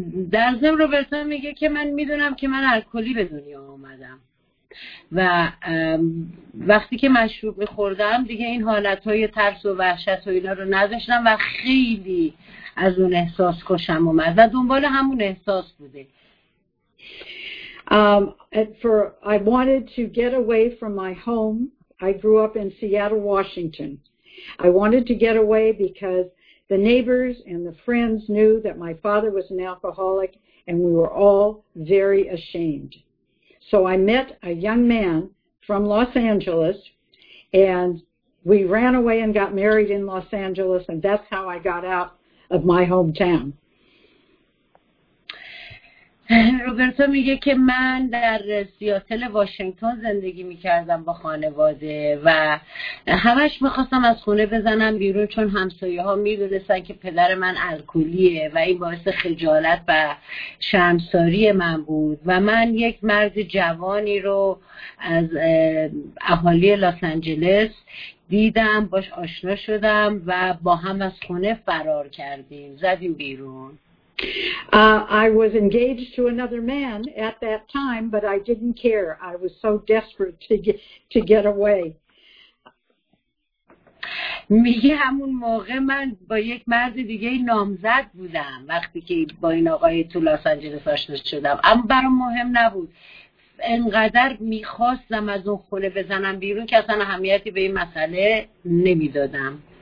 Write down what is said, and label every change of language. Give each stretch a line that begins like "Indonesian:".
Persian: در ضمن روبرتا میگه که من میدونم که من الکلی به دنیا آمدم و وقتی که مشروب میخوردم دیگه این حالتهای ترس و وحشت و اینا رو نداشتم و خیلی از اون احساس خوشم اومد و دنبال همون احساس بوده.
English: I wanted to get away from my home. I grew up in Seattle, Washington. I wanted to get away because the neighbors and the friends knew that my father was an alcoholic, and we were all very ashamed. So I met a young man from Los Angeles, and we ran away and got married in Los Angeles, and that's how I got out of my hometown.
Persian: روبرتا میگه که من در سیاتل واشنگتن زندگی میکردم با خانواده و همش میخواستم از خونه بزنم بیرون چون همسایه ها میدونستن که پدر من الکلیه و این باعث خجالت و شرمساری من بود و من یک مرد جوانی رو از اهالی لس آنجلس دیدم، باش آشنا شدم و با هم از خونه فرار کردیم، زدیم بیرون.
English: I was engaged to another man at that time, but I didn't care. I was so desperate to get away.
Persian: میگه همون موقع من با یک مرد دیگه نامزد بودم وقتی که با این آقای تو لس آنجلس آشنا شدم، اما برام مهم نبود. انقدر میخواستم از اون خونه بزنم بیرون که اصلا اهمیتی به این مسئله نمیدادم.